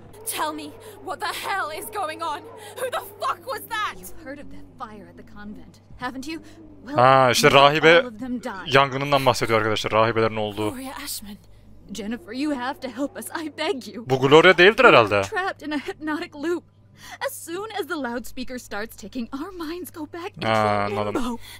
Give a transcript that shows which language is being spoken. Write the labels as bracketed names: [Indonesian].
[English] Tell me what the hell is going on? Who the fuck was that? You've heard of the fire at the convent, haven't you? [Turkish] Well, ha, işte rahibe yangınından bahsediyor arkadaşlar, rahibelerin olduğu. [English] Gloria Ashman, Jennifer, you have to help us. I beg you. [Turkish] Bu Gloria değildir herhalde. [English] We're trapped in a hypnotic loop. As soon as the loudspeaker starts ticking, our minds go back into limbo.